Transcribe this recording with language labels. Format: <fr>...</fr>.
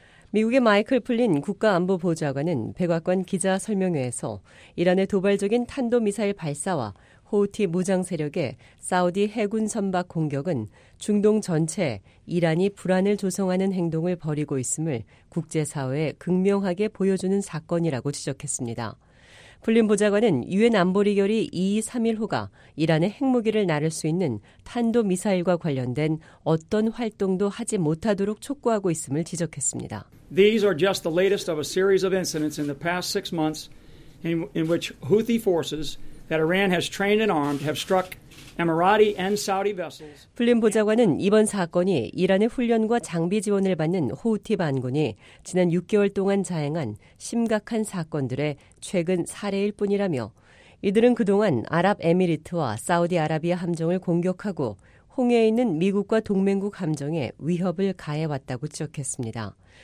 <ko>미국의 마이클 플린 국가안보보좌관은 백악관 기자 설명회에서 이란의 도발적인 탄도미사일 발사와 호티 무장세력의 사우디 해군 선박 공격은 중동 전체에 이란이 불안을 조성하는 행동을 벌이고 있음을 국제사회에 극명하게 보여주는 사건이라고 지적했습니다. 블린 보좌관은 유엔 안보리 결의 2, 3일 후가 이란의 핵무기를 나를 수 있는 탄도미사일과 관련된 어떤 활동도 하지 못하도록 촉구하고 있음을 지적했습니다.</ko> <en>These are just the latest of a series of incidents in the past six months in which Houthi forces that Iran has trained and armed have struck Emirati and Saudi vessels.</en> <ko>블린 보좌관은 이번 사건이 이란의 훈련과 장비 지원을 받는 후티 반군이 지난 6개월 동안 자행한 심각한 사건들의 최근 사례일 뿐이라며 이들은 그동안 아랍에미리트와 사우디아라비아 함정을 공격하고 홍해에 있는 미국과 동맹국 함정에 위협을 가해왔다고 지적했습니다.</ko>